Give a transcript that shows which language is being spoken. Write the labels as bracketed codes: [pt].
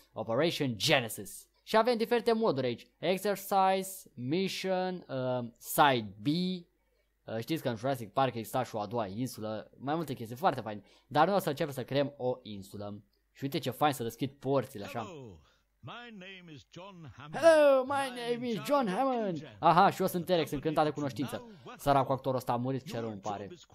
[ro] Operation Genesis. Și avem diferite moduri aici. Exercise, Mission, Side B. Știți că în Jurassic Park exista și o a doua insulă. Mai multe chestii, foarte fain. Dar noi o să începem să creăm o insulă. Și uite ce fain să deschid porțile așa. [en] My name is John Hammond. Hello, my name is John Hammond. [ro] Aha, și eu sunt Terex, încântat de cunoștință. Săracul actorul ăsta a murit, ce rău îmi pare.